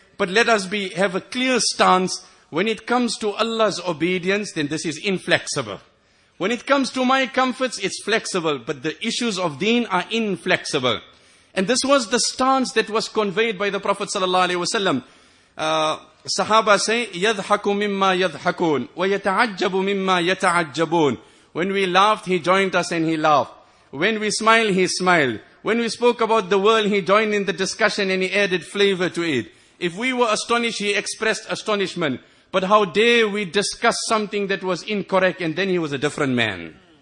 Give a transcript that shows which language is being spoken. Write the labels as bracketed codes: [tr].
[en] But let us have a clear stance. When it comes to Allah's obedience, then this is inflexible. When it comes to my comforts, it's flexible. But the issues of deen are inflexible. And this was the stance that was conveyed by the Prophet sallallahu alaihi wasallam. [ar] Sahaba say, يَذْحَكُ مِمَّا يَذْحَكُونَ وَيَتَعَجَّبُ مِمَّا يَتَعَجَّبُونَ. [en] When we laughed, he joined us and he laughed. When we smiled, he smiled. When we spoke about the world, he joined in the discussion and he added flavor to it. If we were astonished, he expressed astonishment. But how dare we discuss something that was incorrect, and then he was a different man.